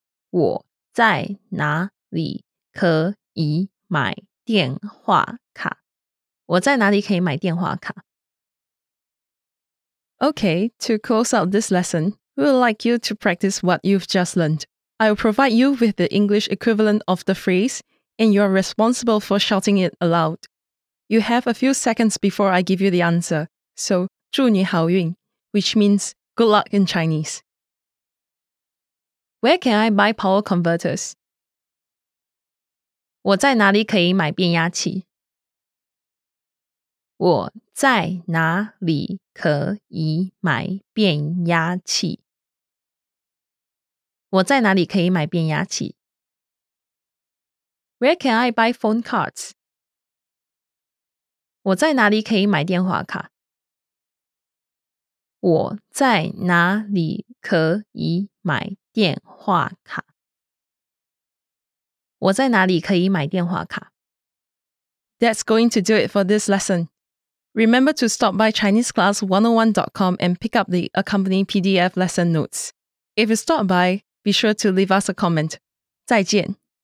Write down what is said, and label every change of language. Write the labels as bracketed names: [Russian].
[Chinese] 我在哪里可以买电话卡。我在哪里可以买电话卡? [English] Okay, to close out this lesson, we would like you to practice what you've just learned. I will provide you with the English equivalent of the phrase, and you are responsible for shouting it aloud. You have a few seconds before I give you the answer, so [Chinese] 祝你好运, [English] which means good luck in Chinese. Where can I buy power converters? [Chinese] 我在哪里可以买变压器? 我在哪里可以买变压器? 我在哪里可以买变压器? [English] Where can I buy phone cards? [Chinese] 我在哪里可以买电话卡? 我在哪里可以买电话卡? 我在哪里可以买电话卡? [English] That's going to do it for this lesson. Remember to stop by ChineseClass101.com and pick up the accompanying PDF lesson notes. If you stop by, be sure to leave us a comment. [Chinese] 再见!